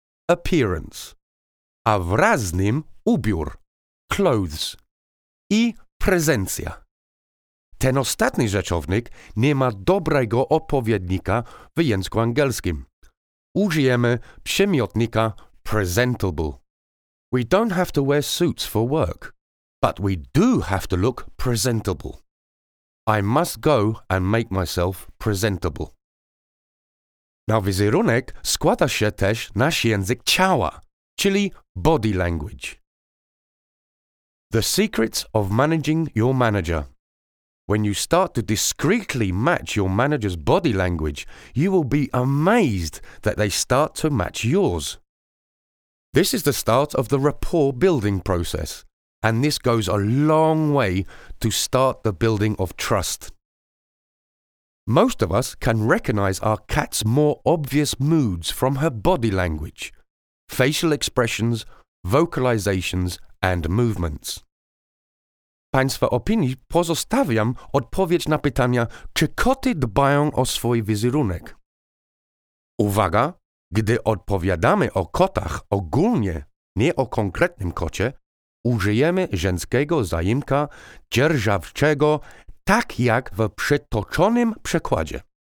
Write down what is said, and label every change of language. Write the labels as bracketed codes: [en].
[pl] Appearance. A wraz z nim ubiór. Clothes. I prezencja. Ten ostatni rzeczownik nie ma dobrego odpowiednika w języku angielskim. Użyjemy przymiotnika presentable. [en] We don't have to wear suits for work, but we do have to look presentable. I must go and make myself presentable. [pl] Na wizerunek składa się też nasz język ciała, czyli body language. [en] The secrets of managing your manager. When you start to discreetly match your manager's body language, you will be amazed that they start to match yours. This is the start of the rapport building process, and this goes a long way to start the building of trust. Most of us can recognize our cat's more obvious moods from her body language, facial expressions, vocalizations, and movements. [pl] Państwa opinii pozostawiam odpowiedź na pytania, czy koty dbają o swój wizerunek. Uwaga, gdy odpowiadamy o kotach ogólnie, nie o konkretnym kocie, użyjemy żeńskiego zaimka dzierżawczego, tak jak w przytoczonym przekładzie.